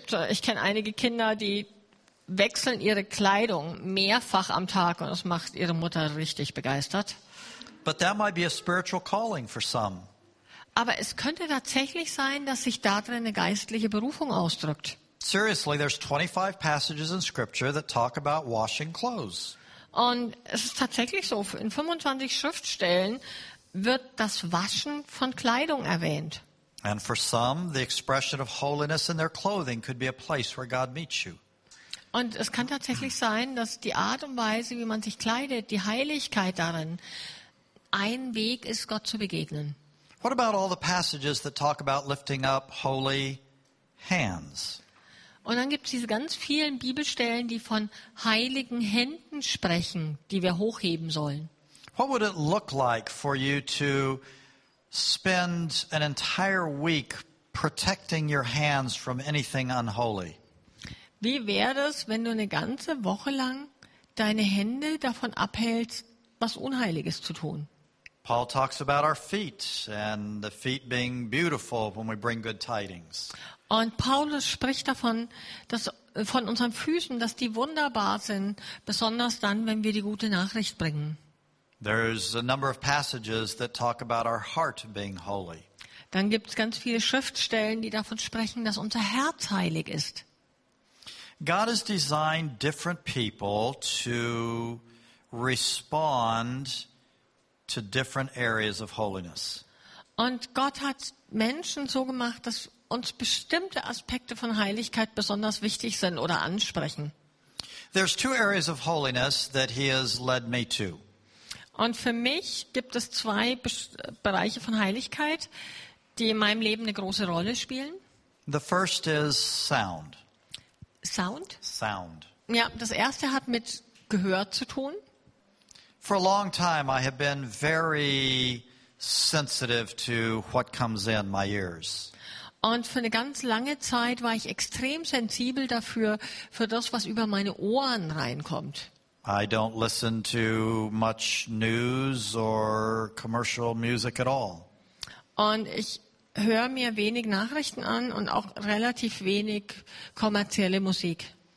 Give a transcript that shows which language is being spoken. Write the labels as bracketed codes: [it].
[de] Ich kenne einige Kinder, die wechseln ihre Kleidung mehrfach am Tag und das macht ihre Mutter richtig begeistert. [en] But that might be a spiritual calling for some. [de] Aber es könnte tatsächlich sein, dass sich darin eine geistliche Berufung ausdrückt. [en] Seriously, there's 25 passages in scripture that talk about washing clothes. [de] Und es ist tatsächlich so, in 25 Schriftstellen wird das Waschen von Kleidung erwähnt. [en] And for some, the expression of holiness in their clothing could be a place where God meets you. [de] Und es kann tatsächlich sein, dass die Art und Weise, wie man sich kleidet, die Heiligkeit darin, ein Weg ist, Gott zu begegnen. [en] What about all the passages that talk about lifting up holy hands? [de] Und dann gibt es diese ganz vielen Bibelstellen, die von heiligen Händen sprechen, die wir hochheben sollen. [en] What would it look like for you to spend an entire week protecting your hands from anything unholy? [de] Wie wäre es, wenn du eine ganze Woche lang deine Hände davon abhältst, was Unheiliges zu tun? [en] Paul talks about our feet and the feet being beautiful when we bring good tidings. [de] Und Paulus spricht davon, dass von unseren Füßen, dass die wunderbar sind, besonders dann, wenn wir die gute Nachricht bringen. [en] There's a number of passages that talk about our heart being holy. [de] Dann gibt's ganz viele Schriftstellen, die davon sprechen, dass unser Herz heilig ist. [en] God has designed different people to respond to different areas of holiness. [de] Und Gott hat Menschen so gemacht, dass uns bestimmte Aspekte von Heiligkeit besonders wichtig sind oder ansprechen. [en] There's two areas of holiness that he has led me to. [de] Und für mich gibt es zwei Bereiche von Heiligkeit, die in meinem Leben eine große Rolle spielen. [en] The first is sound. Sound? Sound. [de] Ja, das erste hat mit Gehör zu tun. [en] For a long time I have been very sensitive to what comes in my ears. [de] Und für eine ganz lange Zeit war ich extrem sensibel dafür, für das, was über meine Ohren reinkommt. [en] I don't listen to much news or commercial music at all. [de] Und ich höre mir wenig Nachrichten an und auch relativ wenig kommerzielle Musik.